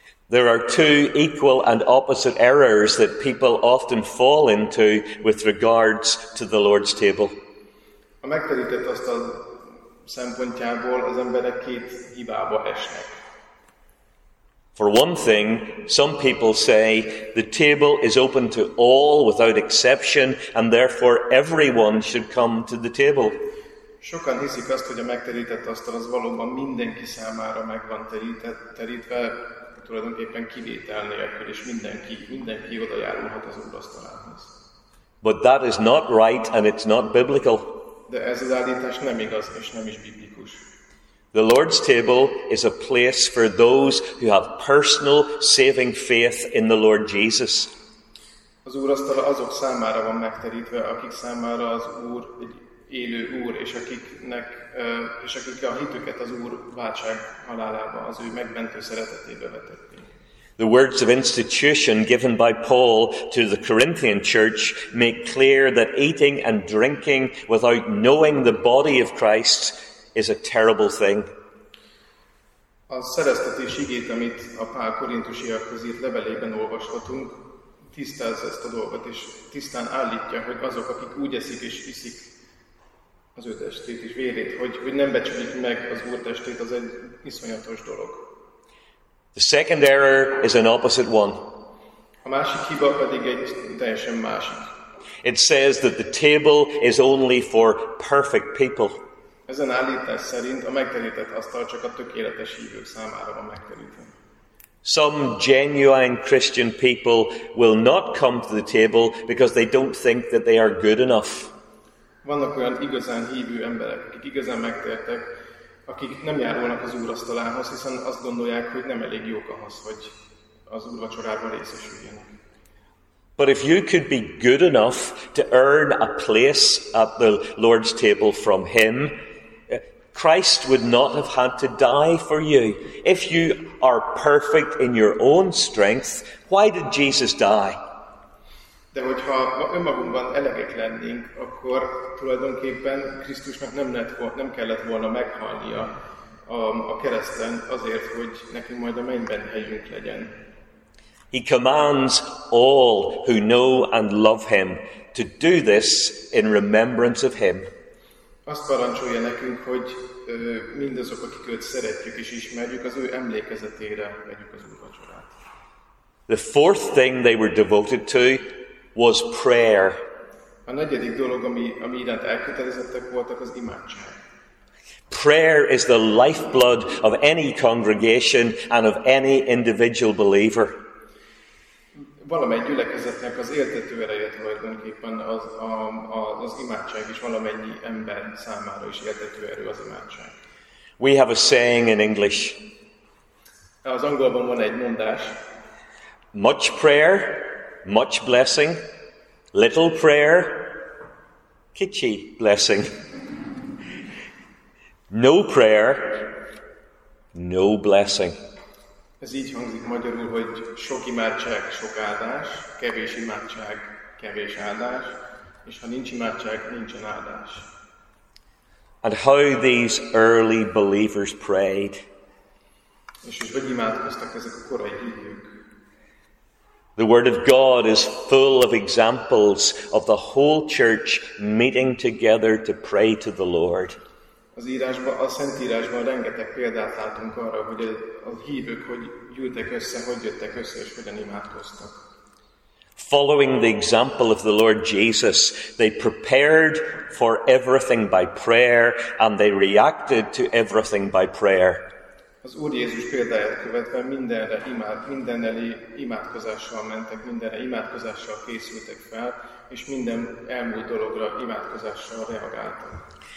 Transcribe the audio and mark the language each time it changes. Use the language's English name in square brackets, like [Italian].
[English] There are two equal and opposite errors that people often fall into with regards to the Lord's table. [Hungarian] A megterített asztal szempontjából az emberek két hibába esnek. [English] For one thing, some people say the table is open to all without exception, and therefore everyone should come to the table. [Hungarian] Sokan hiszik azt, hogy a megterített asztal az valóban mindenki számára meg van terítve, tulajdonképpen kivétel nélkül, és mindenki oda járulhat az úrasztalához. [English] But that is not right, and it's not biblical. [Hungarian] De ez az állítás nem igaz, és nem is biblikus. [English] The Lord's table is a place for those who have personal saving faith in the Lord Jesus. [Hungarian] Az úrasztala azok számára van megterítve, akik számára az Úr egy élő Úr, és akik a hitüket az Úr váltság halálába, az ő megmentő szeretetébe vetették. [English] The words of institution given by Paul to the Corinthian church make clear that eating and drinking without knowing the body of Christ is a terrible thing. [Hungarian] A szereztetés igét, amit a Pál korintusiakhoz írt levelében olvashatunk, tisztázza ezt a dolgot, és tisztán állítja, hogy azok, akik úgy eszik és iszik az ő testét és vérét, hogy nem becsülik meg az Úr testét, az egy iszonyatos dolog. [English] The second error is an opposite one. [Hungarian] A másik hiba pedig egy teljesen másik. [English] It says that the table is only for perfect people. [Hungarian] Ezen állítás szerint a megterített asztal csak a tökéletes hívők számára van megterítve. [English] Some genuine Christian people will not come to the table because they don't think that they are good enough. [Hungarian] Vannak olyan igazán hívő emberek, akik igazán megtértek, akik nem járulnak az úrasztalához, hiszen azt gondolják, hogy nem elég jók ahhoz, hogy az úrvacsorában részesüljenek. [English] But if you could be good enough to earn a place at the Lord's table from him, Christ would not have had to die for you. If you are perfect in your own strength, why did Jesus die? [Hungarian] De hogyha önmagunkban elegek lennénk, akkor tulajdonképpen Krisztusnak nem kellett volna meghalnia a kereszten azért, hogy nekünk majd a mennyben helyünk legyen. [English] He commands all who know and love him to do this in remembrance of him. [Hungarian] Azt parancsolja nekünk, hogy mindazok, akik őt szeretjük és ismerjük, az ő emlékezetére vegyük az úrvacsorát. [English] The fourth thing they were devoted to was prayer. [Hungarian] A negyedik dolog, ami iránt elkötelezettek voltak, az imádság. [English] Prayer is the lifeblood of any congregation and of any individual believer. [Hungarian] Valamely gyülekezetnek az éltető ereje tulajdonképpen az imádság, és valamennyi ember számára is éltető erő az imádság. [English] We have a saying in English. [Hungarian] Az angolban van egy mondás. [English] Much prayer, much blessing. Little prayer, [Hungarian] kicsi [English] blessing. No prayer, no blessing. [Hungarian] Ez így hangzik magyarul, hogy sok imádság, sok áldás, kevés imádság, kevés áldás, és ha nincs imádság, nincsen áldás. [English] And how these early believers prayed. [Hungarian] És hogy imádkoztak ezek a korai hívők. [English] The Word of God is full of examples of the whole church meeting together to pray to the Lord. [Hungarian] A Szentírásban rengeteg példát látunk arra, hogy a hívők hogy gyűltek össze, hogy jöttek össze, és hogyan imádkoztak. [English] Following the example of the Lord Jesus, they prepared for everything by prayer, and they reacted to everything by prayer. [Hungarian] Az Úr Jézus példáját követve mindennel imádkozással mentek, mindenre imádkozással készültek fel, és minden elmúlt dologra imádkozással reagáltak.